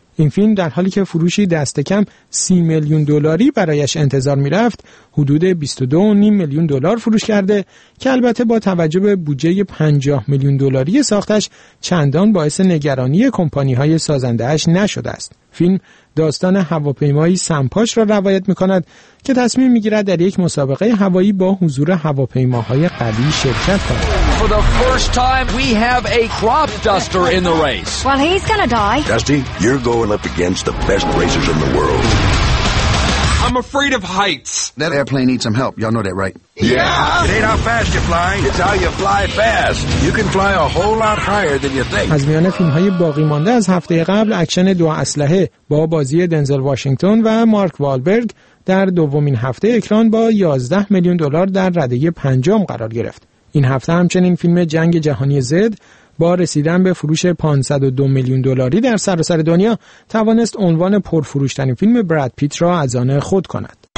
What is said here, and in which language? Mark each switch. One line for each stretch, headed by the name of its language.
Persian: این فیلم در حالی که فروشی دست کم 30 میلیون دلاری برایش انتظار می‌رفت، حدود 22.5 میلیون دلار فروش کرده که البته با توجه به بودجه 50 میلیون دلاری ساختش چندان باعث نگرانی کمپانی‌های سازنده‌اش نشده است. فیلم داستان هواپیمایی سمپاش را روایت می‌کند که تصمیم می‌گیرد در یک مسابقه هوایی با حضور هواپیماهای قوی شرکت کند.
English: For the first time we have a crop duster in the race. Well, he's going to die. Dusty, you're going up against the best racers in the world. I'm afraid of heights. That airplane needs some help. Y'all know that, right? Yeah. It ain't how fast you fly, it's how you fly fast. You can fly a whole lot higher than you think.
Persian: از میان فیلم‌های باقی مانده از هفته قبل، اکشن دو اسلحه با بازی دنزل واشنگتن و مارک والبرگ در دومین هفته اکران با 11 میلیون دلار در رده پنجم قرار گرفت. این هفته همچنین فیلم جنگ جهانی زد با رسیدن به فروش 502 میلیون دلاری در سراسر دنیا توانست عنوان پرفروش‌ترین فیلم براد پیت را از آن خود کند.